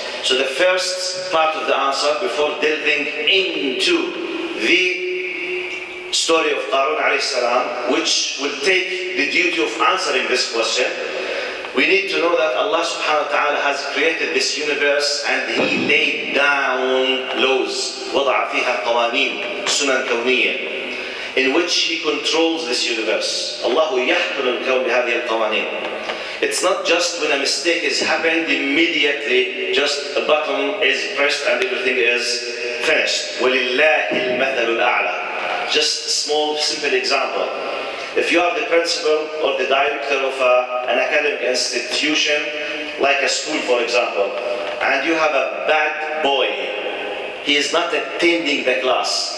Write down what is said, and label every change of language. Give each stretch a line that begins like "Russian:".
English: So the first part of the answer, before delving into the story of Qarun alayhi salam, which will take the duty of answering this question, we need to know that Allah subhanahu wa ta'ala has created this universe and He laid down laws,
Arabic: وضع فيها قوانين, سنن كونية,
English: in which He controls this universe.
Arabic: Allahu يحكم الكون بهذه القوانين.
English: It's not just when a mistake is happened, immediately just a button is pressed and everything is finished.
Arabic: وَلِلَّهِ الْمَثَلُ الْأَعْلَى.
English: Just a small, simple example. If you are the principal or the director of an academic institution, like a school for example, and you have a bad boy, he is not attending the class.